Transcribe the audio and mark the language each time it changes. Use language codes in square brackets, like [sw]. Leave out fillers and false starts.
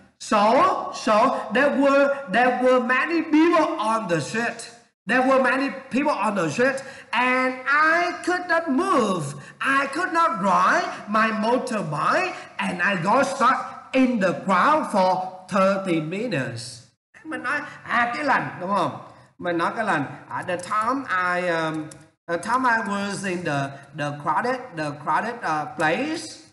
[en] So there were many people on the street. There were many people on the street and I could not move. I could not ride my motorbike and I got stuck in the crowd for 30 minutes. [vi] Mình nói à cái lần đúng không? [en] Mình nói cái lần at the time I was in the crowded place.